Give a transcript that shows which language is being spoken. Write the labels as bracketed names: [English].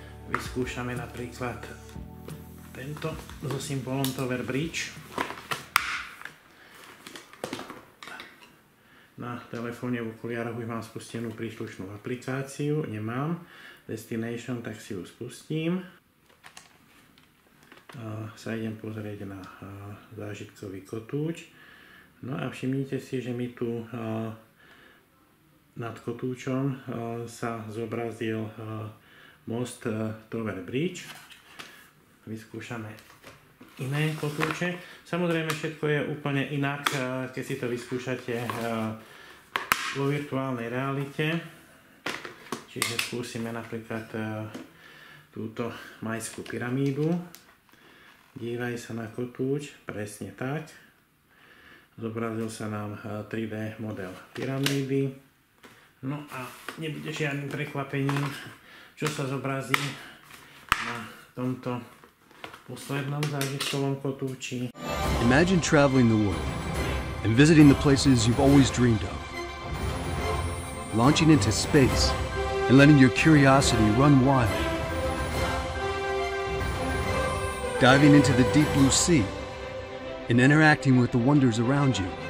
[Slovak] Vyskúšame napríklad tento so symbolom Tower Bridge. Na telefóne v okuliároch už mám spustenú príslušnú aplikáciu. Nemám Destination, tak si ju spustím. Sa idem pozrieť na zážitkový kotúč. No a všimnite si, že mi tu nad kotúčom sa zobrazil most Tower Bridge. Vyskúšame iné kotúče. Samozrejme, všetko je úplne inak, keď si to vyskúšate vo virtuálnej realite. Čiže skúsime napríklad túto majskú pyramídu. Dívaj sa na kotúč, presne tak. Zobrazil sa nám 3D model pyramídy. No a nebude žiadnym prekvapením, čo sa zobrazí na tomto poslednom zážitkovom kotúči. [English] Imagine traveling the world and visiting the places you've always dreamed of. Launching into space and letting your curiosity run wild. Diving into the deep blue sea and interacting with the wonders around you.